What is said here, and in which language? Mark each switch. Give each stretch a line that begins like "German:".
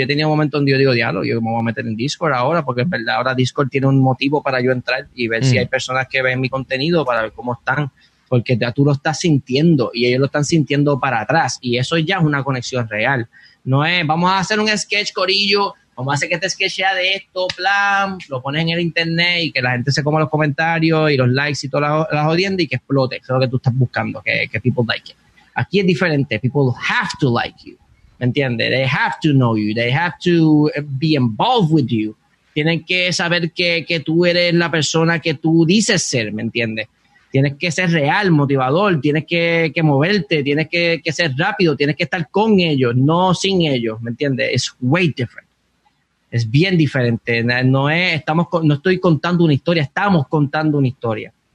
Spanish: Yo tenía un momento donde yo digo, diablo, yo me voy a meter en Discord ahora, porque es verdad, ahora Discord tiene un motivo para yo entrar y ver si hay personas que ven mi contenido para ver cómo están, porque ya tú lo estás sintiendo y ellos lo están sintiendo para atrás, y eso ya es una conexión real. No es, vamos a hacer un sketch, corillo, vamos a hacer que este sketch sea de esto, plan, lo pones en el internet y que la gente se coma los comentarios y los likes y todas las jodiendas y que explote. Eso es lo que tú estás buscando, que
English: people like it.
Spanish: Aquí es diferente,
English: people have to like you,
Spanish: ¿me entiendes?
English: They have to know you, they have to be involved with you.
Spanish: Tienen que saber que tú eres la persona que tú dices ser, ¿me entiendes? Tienes que ser real, motivador, tienes que moverte, tienes que ser rápido, tienes que estar con ellos, no sin ellos, ¿me entiendes? Es
English: way different.
Spanish: Es bien diferente. No estoy contando una historia, estamos contando una historia.